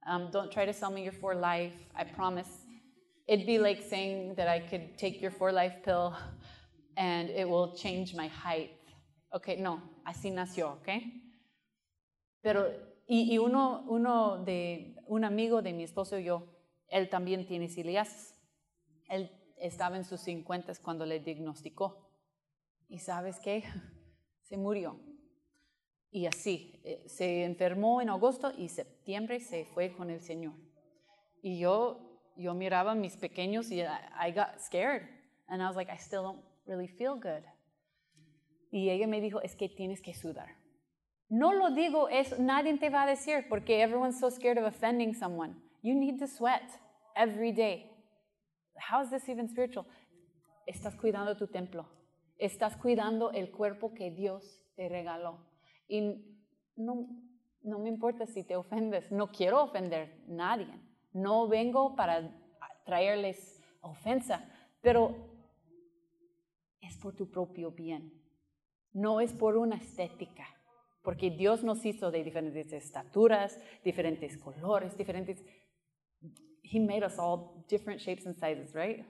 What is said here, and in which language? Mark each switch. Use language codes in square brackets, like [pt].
[en] Don't try to sell me your For Life, I promise. It'd be like saying that I could take your For Life pill and it will change my height. [es] Ok, no, así nació, ok. Pero, y uno de, un amigo de mi esposo y yo, él también tiene celiaquía. Él estaba en sus 50 cuando le diagnosticó. ¿Y sabes qué? Se murió. Y así, se enfermó en agosto y septiembre se fue con el Señor. Y yo miraba a mis pequeños y [en] I got scared. And I was like, I still don't really feel good. [es] Y ella me dijo, es que tienes que sudar. No lo digo, eso, nadie te va a decir, porque [en] everyone's so scared of offending someone. You need to sweat every day. How is this even spiritual? [es] Estás cuidando tu templo. Estás cuidando el cuerpo que Dios te regaló. Y no me importa si te ofendes. No quiero ofender a nadie. No vengo para traerles ofensa. Pero es por tu propio bien. No es por una estética, porque Dios nos hizo de diferentes estaturas, diferentes colores, diferentes. [en] He made us all different shapes and sizes, right?